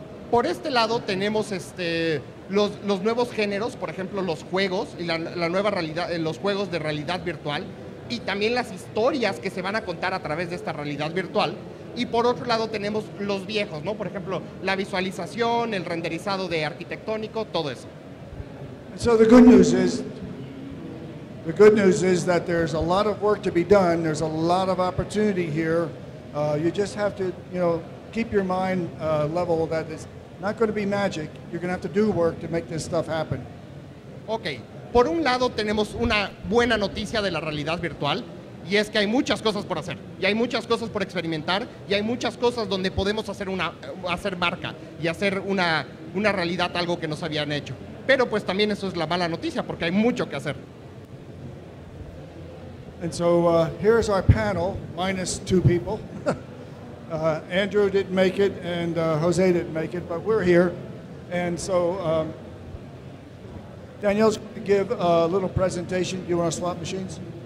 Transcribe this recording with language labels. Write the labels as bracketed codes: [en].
[es] Por este lado tenemos los nuevos géneros, por ejemplo, los juegos y la nueva realidad, los juegos de realidad virtual y también las historias que se van a contar a través de esta realidad virtual. Y por otro lado tenemos los viejos, ¿no? Por ejemplo, la visualización, el renderizado de arquitectónico, todo eso. [en] So the good news is that there's a lot of work to be done. There's a lot of opportunity here. You just have to, keep your mind level that it's not going to be magic. You're going to have to do work to make this stuff happen. Okay. [es] Por un lado tenemos una buena noticia de la realidad virtual. Y es que hay muchas cosas por hacer, y hay muchas cosas por experimentar, y hay muchas cosas donde podemos hacer marca y hacer una realidad, algo que nos habían hecho. Pero pues también eso es la mala noticia, porque hay mucho que hacer. [en] And so here's our panel, minus two people. Andrew didn't make it, and Jose didn't make it, but we're here. And so Danielle's going to give a little presentation. Do you want to slot machines?